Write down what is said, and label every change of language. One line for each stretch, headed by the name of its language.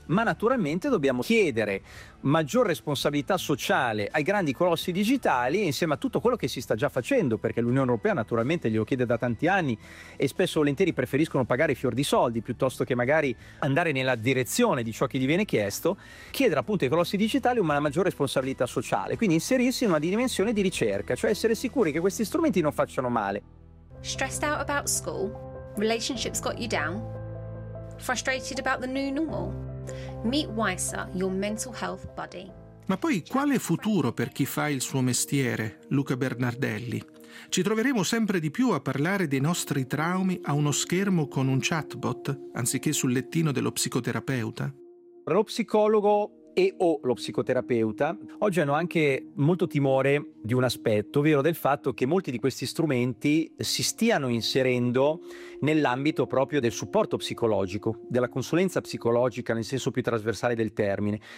Italian: Ma naturalmente dobbiamo chiedere maggior responsabilità sociale ai grandi colossi digitali, insieme a tutto quello che si sta già facendo, perché l'Unione Europea naturalmente glielo chiede da tanti anni e spesso volentieri preferiscono pagare fior di soldi piuttosto che magari andare nella direzione di ciò che gli viene chiesto, chiedere appunto ai colossi digitali una maggior responsabilità sociale, quindi inserirsi in una dimensione di ricerca, cioè essere sicuri che questi strumenti non facciano male.
English: Stressed out about school? Relationships got you down? Frustrated about the new normal? Meet Wiser, your mental health buddy.
Italian: Ma poi quale futuro per chi fa il suo mestiere, Luca Bernardelli? Ci troveremo sempre di più a parlare dei nostri traumi a uno schermo con un chatbot, anziché sul lettino dello psicoterapeuta? Lo psicologo e o lo psicoterapeuta oggi hanno anche molto timore di un aspetto, ovvero del fatto che molti di questi strumenti si stiano inserendo nell'ambito proprio del supporto psicologico, della consulenza psicologica nel senso più trasversale del termine.